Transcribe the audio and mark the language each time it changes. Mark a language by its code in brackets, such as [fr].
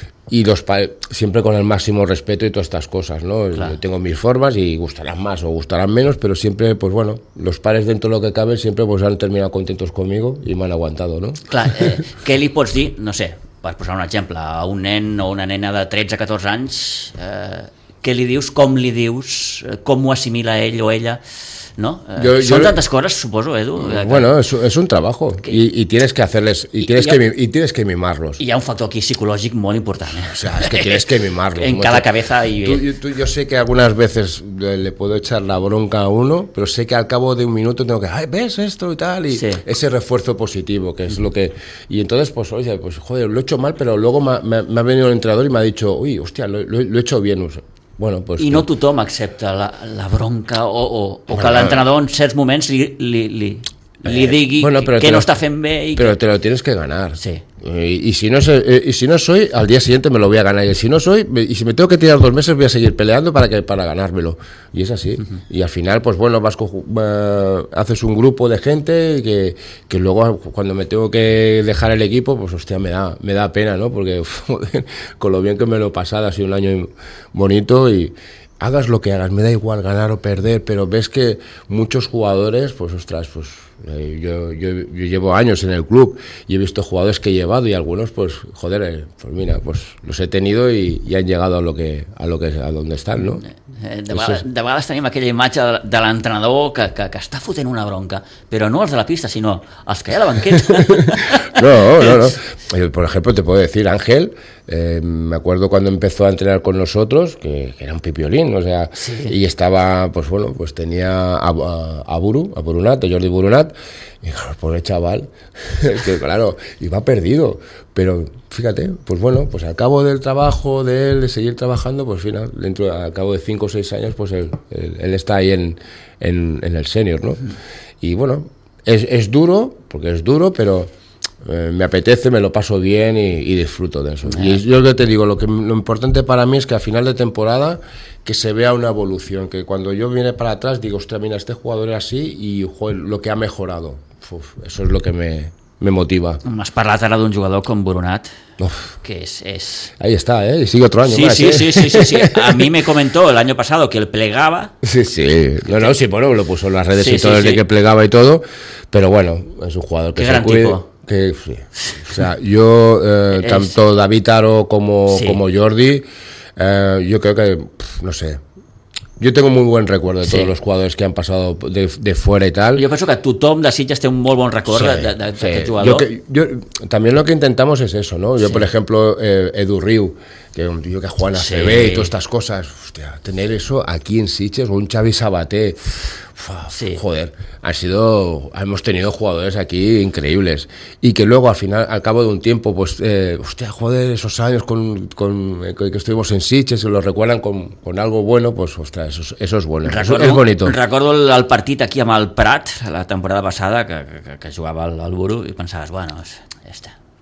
[es] Y los siempre con el máximo respeto y todas estas cosas, ¿no? Claro. Yo tengo mis formas y gustarán más o gustarán menos, pero siempre, pues bueno, los pares dentro de lo que cabe siempre pues han terminado contentos conmigo y me han aguantado, ¿no? Claro, Kelly por sí, no sé, [ca] per posar un exemple, a un nen o una nena de 13-14 anys, què li dius, com li dius, com ho assimila ell o ella, no? Són tantes coses, suposo, Edu. [es] Bueno, és un trabajo y tienes que hacerles tienes que mimarlos. [ca] Hi ha un factor aquí psicològic molt important. [es] O sea, es que tienes que mimarlos. En cada cabeza y tú yo sé que algunas veces le puedo echar la bronca a uno, pero sé que al cabo de un minuto tengo que, ay, ves esto y tal, y sí, ese refuerzo positivo, que es lo que, y entonces pues oye, pues joder, lo he hecho mal, pero luego me ha venido el entrenador y me ha dicho, "Uy, hostia, lo he hecho bien." Bueno, pues [ca] i no tothom accepta la bronca o bueno, que l'entrenador en certs moments li digui bueno, que no està fent bé i però que... [es] te lo tienes que ganar. Sí. Y si no soy, al día siguiente me lo voy a ganar. Y si no soy, y si me tengo que tirar 2 meses, voy a seguir peleando para ganármelo. Y es así. Uh-huh. Y al final, pues bueno, haces un grupo de gente que luego, cuando me tengo que dejar el equipo, pues hostia, me da pena, ¿no? Porque con lo bien que me lo he pasado, ha sido un año bonito y hagas lo que hagas, me da igual ganar o perder, pero ves que muchos jugadores, pues ostras, pues yo llevo años en el club y he visto jugadores que he llevado y algunos, pues joder, pues mira, pues los he tenido y han llegado a donde están, ¿no? [ca] De vegades tenim aquella imatge de l'entrenador que està fotent una bronca, però no els de la pista, sinó els que hi ha a la banqueta. No. [es] Por ejemplo, te puedo decir, Ángel, me acuerdo cuando empezó a entrenar con nosotros, que era un pipiolín, o sea, sí. Y estaba, pues bueno, pues tenía a Jordi Burunat, y claro, pobre chaval, que claro, iba perdido, pero fíjate, pues bueno, pues al cabo del trabajo de seguir trabajando, pues final, dentro al cabo de 5 o 6 años, pues él está ahí en el senior, ¿no? Uh-huh. Y bueno, es duro, porque es duro, pero me apetece, me lo paso bien y disfruto de eso. Uh-huh. Y yo te digo, lo importante para mí es que a final de temporada que se vea una evolución, que cuando yo viene para atrás digo, ostras, mira, este jugador era así y joder, lo que ha mejorado. Uf, eso es lo que me motiva. [ca] M'has parlat ara d'un jugador com Burunat, que és... [es] Ahí está, ¿eh? Y sigue otro año sí, más. Sí, ¿eh? Sí. A mí me comentó el año pasado que él plegaba. Sí, sí. Sí, bueno, lo puso en las redes y todo, sí, el de que plegaba y todo. Pero bueno, es un jugador que se cuida. Qué gran tipo. Que, sí. O sea, yo, tanto David Aro como Jordi, yo creo que, no sé... Jo tengo muy buen recuerdo de todos los jugadores que han pasado de fuera y tal. Yo pienso que [ca] tothom de Sitges té un molt bon record d'aquest jugador. [es] También lo que intentamos es eso, ¿no? Yo, por ejemplo, Edu Riu, que es un tío que juega en ACB y todas estas cosas. Hostia, tener eso aquí en Sitges, o un Xavi Sabaté. Joder, hemos tenido jugadores aquí increíbles. Y que luego, al final, al cabo de un tiempo, pues, hostia, joder, esos años con que estuvimos en Sitges, se lo recuerdan con algo bueno, pues, ostras, eso es bueno. [ca] Recordo, [es] es bonito. [ca] Recordo el partit aquí amb el Prat, la temporada passada, que jugava al Buru, i pensaves, bueno, ja està.